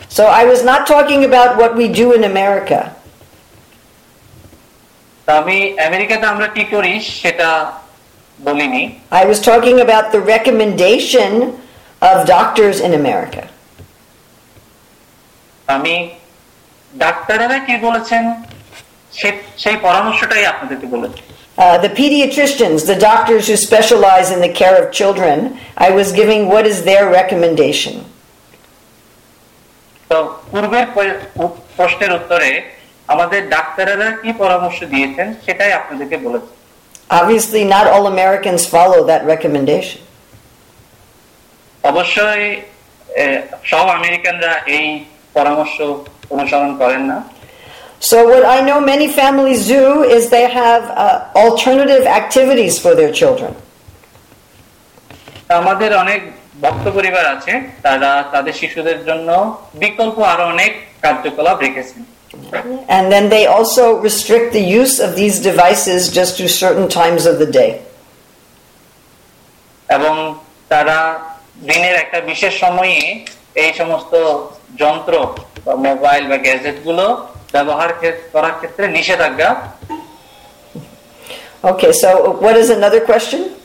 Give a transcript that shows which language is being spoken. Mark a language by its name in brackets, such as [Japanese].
[English] So I was not talking about what we do in America. [Bangla] আমি আমেরিকাতে আমরা কি করি সেটা বলিনি. [English] I was talking about the recommendation of doctors in America. [Bangla] আমি ডাক্তাররা কি বলেছেন সেই পরামর্শটাই আপনাদেরকে বলেছি. [English] The pediatricians, the doctors who specialize in the care of children, I was giving what is their recommendation. [Bangla] তো পূর্বের প্রশ্নের উত্তরে আমাদের ডাক্তাররা কি পরামর্শ দিয়েছেন সেটাই আপনাদেরকে বলেছি. [English] obviously not all Americans follow that recommendation. [Bangla] অবশ্যই সব আমেরিকানরা এই পরামর্শ অনুসরণ করেন না. [English] So what I know many families do is they have alternative activities for their children. [Bangla] আমাদের অনেক ভক্ত পরিবার আছে তারা তাদের শিশুদের জন্য বিকল্প আরো অনেক কার্যকলাপ রেখেছে. [English] And then they also restrict the use of these devices just to certain times of the day. [Bangla] এবং তারা দিনের একটা বিশেষ সময়ে এই সমস্ত যন্ত্র বা মোবাইল বা গ্যাজেটগুলো ব্যবহার করার ক্ষেত্রে নিষেধাজ্ঞা. [English] Okay, so what is another question?